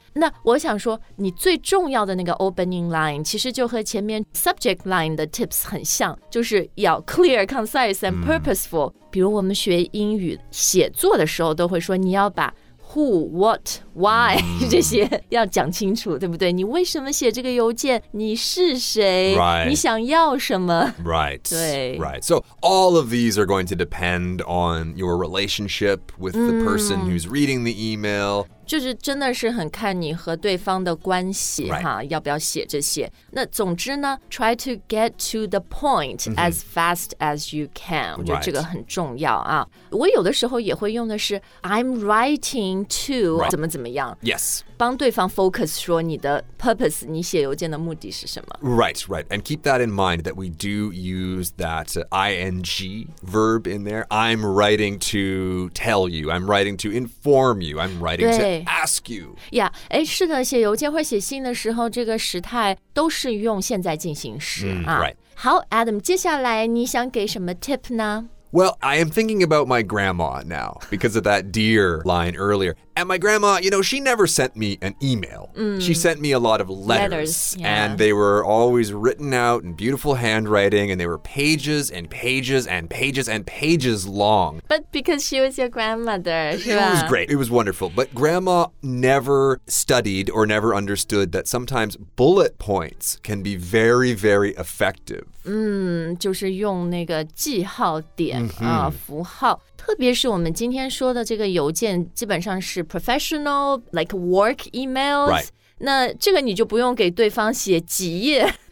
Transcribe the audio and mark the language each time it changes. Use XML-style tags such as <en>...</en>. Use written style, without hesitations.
<zh>那我想说你最重要的那个 opening line 其实就和前面 subject line 的 tips 很像就是要</zh> <en>clear, concise and purposeful、</en> <zh>比如我们学英语写作的时候都会说你要把</zh> <en>who, what, why、</en> <zh>这些要讲清楚对不对你为什么写这个邮件你是谁、</zh> <en>right.</en> <zh>你想要什么</zh> <en>Right,</en> <zh>对</zh> <en>right. So all of these are going to depend on your relationship with the person、who's reading the email</en> <zh>就是真的是很看你和对方的关系、</zh> <en>right.</en> <zh>哈要不要写这些那总之呢</zh> <en>try to get to the point、as fast as you can、 right.</en> <zh>我觉得这个很重要啊我有的时候也会用的是</zh> <en>I'm writing to、 right.</en> <zh>怎么怎么样</zh> <en>yes</en> <zh>帮对方 focus 说你的 purpose 你写邮件的目的是什么</zh> <en>right right and keep that in mind that we do use that ing verb in there I'm writing to tell you I'm writing to inform you I'm writing toAsk you. Yeah,</en> <zh>诶是的写邮件或写信的时候这个时态都是用现在进行时、</zh> <en>Right.</en> <zh>好 Adam, 接下来你想给什么 tip 呢</zh> <en>Well, I am thinking about my grandma now because of that dear line earlier. And my grandma, you know, she never sent me an email.、She sent me a lot of letters. Letters、 and they were always written out in beautiful handwriting and they were pages and pages and pages and pages long. But because she was your grandmother, it was great. It was wonderful. But grandma never studied or never understood that sometimes bullet points can be very, very effective.</en> <zh>就是用那个记号点、符号。特别是我们今天说的这个邮件基本上是</zh> <en>professional, like work emails、 right.</en> <zh>那这个你就不用给对方写几页</zh>